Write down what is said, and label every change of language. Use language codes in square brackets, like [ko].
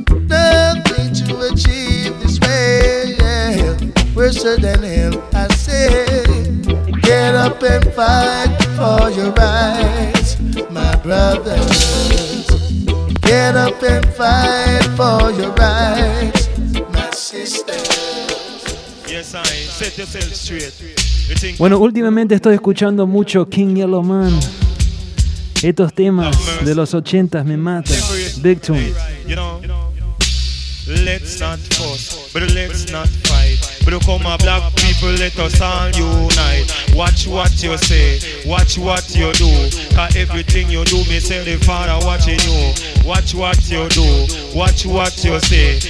[en] Nothing to achieve this way, worse than hell. I say, get up and fight for your rights. My brothers, get up and fight for your rights. My sisters, yes, I set yourself straight. [es] Bueno, últimamente estoy escuchando mucho King Yellow Man. Estos temas de los 80s me matan. Big Tune. [en] You know, let's not fuss, but let's not fight. But come on, black people, let us all unite. Watch what you say, watch what you do. Cause everything you do, me say the Father watching you. Watch what you do, watch what you say.